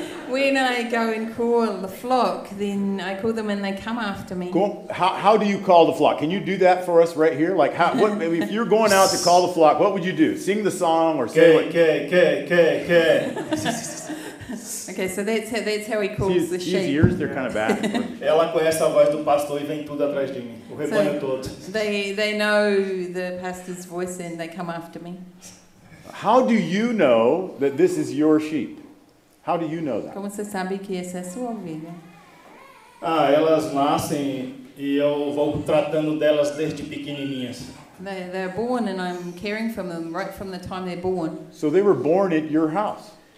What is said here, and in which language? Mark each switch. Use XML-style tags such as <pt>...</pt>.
<en>When I go and call the flock, then I call them and they come after me. Cool. How do you call the flock? Can you do that for us right here? Like, if you're going out to call the flock, what would you do? Sing the song or say what? Okay, so that's how he calls the sheep. His ears, they're kind of bad.</en> <pt>Ela conhece a voz do pastor e vem tudo atrás de mim. O rebanho todo.</pt> <en>They know the pastor's voice and they come after me. How do you know that this is your sheep? How do you know that?</en> <pt>Como você sabe que essa é sua ovelha? Elas nascem e eu vou tratando delas desde pequenininhas.</pt> <en>They're born and I'm caring for them right from the time they're born. So they were born at your house.</en>